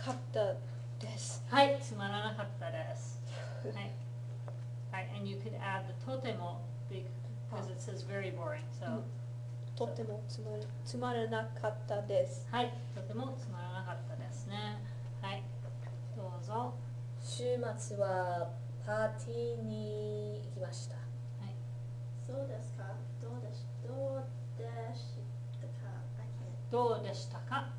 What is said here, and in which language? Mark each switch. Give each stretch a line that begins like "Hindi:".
Japanese: どうですか?どうでしたか?どうでしたか?はい。つまらなかったです。はい、つまらなかったです。はい。はい、
English: and you could add the とても because it says very boring, so.
Japanese: とてもつまらなかったです。はい、とてもつまらなかったですね。はい、どうぞ。週末はパーティーに行きました。どうでしたか?